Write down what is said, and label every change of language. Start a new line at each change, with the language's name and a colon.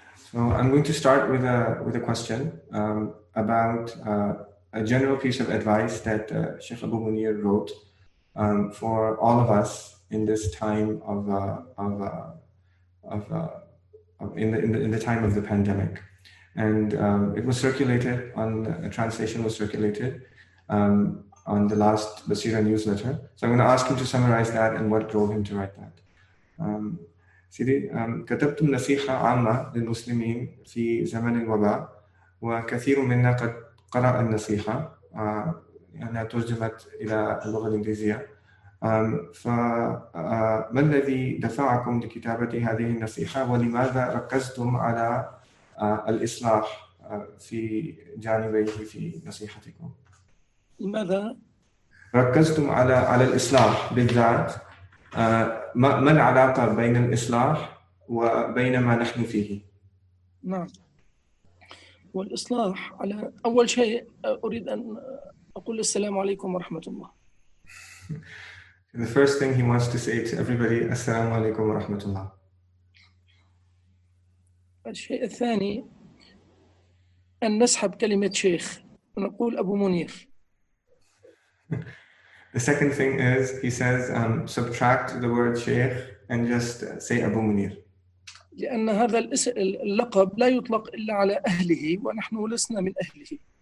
English: So I'm going to start with a question about a general piece of advice that Sheikh Abu Munir wrote for all of us in this time time of the pandemic. And it was circulated on a translation was circulated on the last Basira newsletter. So I'm going to ask him to summarize that and what drove him to write that.
Arabic: سيدي كتبتم نصيحة عامة للمسلمين في زمن الوباء وكثير منا قد قرأ النصيحة لأنها ترجمت إلى اللغة الإنجليزية فما الذي دفعكم لكتابة هذه النصيحة ولماذا ركزتم على الإصلاح في جانبيه في نصيحتكم لماذا ركزتم على الإصلاح بالذات ما العلاقة بين الإصلاح وبين ما نحن فيه؟ نعم. والإصلاح على أول شيء أريد أن أقول السلام عليكم ورحمة الله.
English: The first thing he wants to say to everybody,
Arabic: السلام عليكم ورحمة الله. الشيء الثاني أن نسحب كلمة شيخ ونقول أبو منير.
English: The second thing is, he says, subtract the word Sheikh and just say Abu Munir.
Arabic: لأن هذا اللقب لا يطلق إلا على أهله ونحن لسنا من أهله.